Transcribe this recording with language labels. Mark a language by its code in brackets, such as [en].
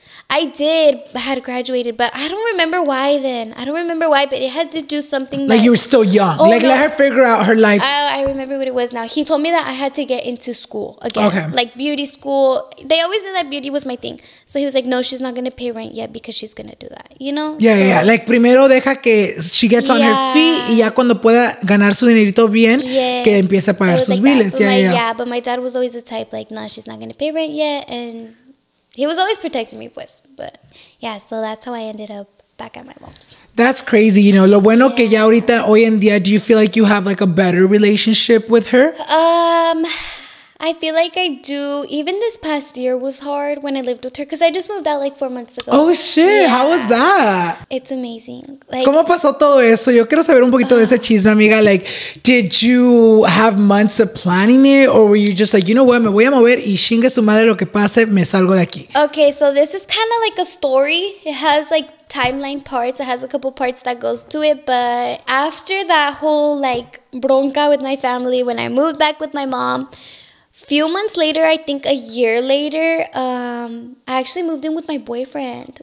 [en] I did, I had graduated, but I don't remember why then. I don't remember why, but it had to do something like you were still young. Oh, like, no. Let her figure out her life. I remember what it was now. He told me that I had to get into school again. Okay. Like, beauty school. They always knew that beauty was my thing. So he was like, no, she's not going to pay rent yet because she's going to do that. You know? Yeah, so, yeah. [es] Like, primero deja que [en] she gets on her feet [es] y ya cuando pueda ganar su dinerito bien, que empiece a pagar sus biles. [en] Yeah, but my dad was always the type, like, no, she's not going to pay rent yet, and he was always protecting me, pues. But yeah, so that's how I ended up back at my mom's. That's crazy. You know, [es] lo bueno que ya ahorita, hoy en día, [en] do you feel like you have like a better relationship with her? I feel like I do. Even this past year was hard when I lived with her because I just moved out like 4 months ago. Oh, shit. Yeah. How was that? It's amazing. [es] Like, ¿cómo pasó todo eso? Yo quiero saber un poquito de ese chisme, amiga. [en] Like, did you have months of planning it or were you just like, you know what? [es] Me voy a mover y chinga su madre lo que pase, me salgo de aquí. [en] Okay, so this is kind of like a story. It has like timeline parts. It has a couple parts that goes to it. But after that whole like bronca with my family, when I moved back with my mom, few months later, I think a year later, I actually moved in with my boyfriend.